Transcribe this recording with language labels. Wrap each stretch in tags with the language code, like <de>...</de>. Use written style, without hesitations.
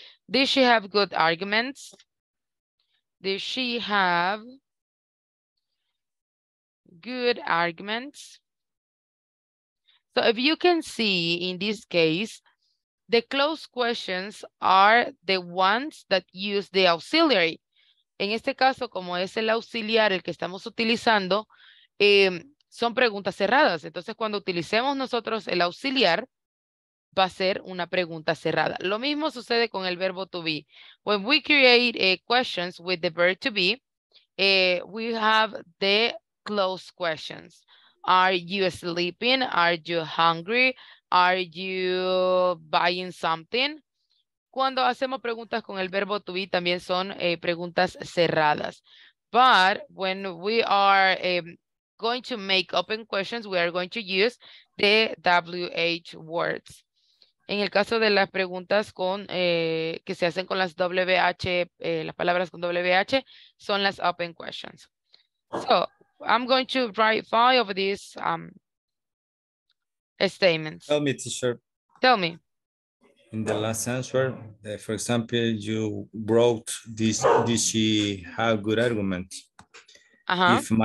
<en>Did she have good arguments? Did she have good arguments? So if you can see in this case, the closed questions are the ones that use the auxiliary.</en> <es>En este caso, como es el auxiliar el que estamos utilizando, son preguntas cerradas. Entonces, cuando utilicemos nosotros el auxiliar, va a ser una pregunta cerrada. Lo mismo sucede con el verbo to be.</es> <en>When we create questions with the verb to be, we have the closed questions. Are you sleeping? Are you hungry? Are you buying something?</en> <es>Cuando hacemos preguntas con el verbo to be, también son preguntas cerradas.</es> <en>But when we are going to make open questions, we are going to use the WH words.</en> <es>En el caso de las preguntas con que se hacen con las WH, las palabras con WH, son las</es> <en>open questions. So, I'm going to write five of these statements. Tell me, teacher. Tell me. In the last answer, for example, you wrote this, did she have good argument? Uh-huh.</en>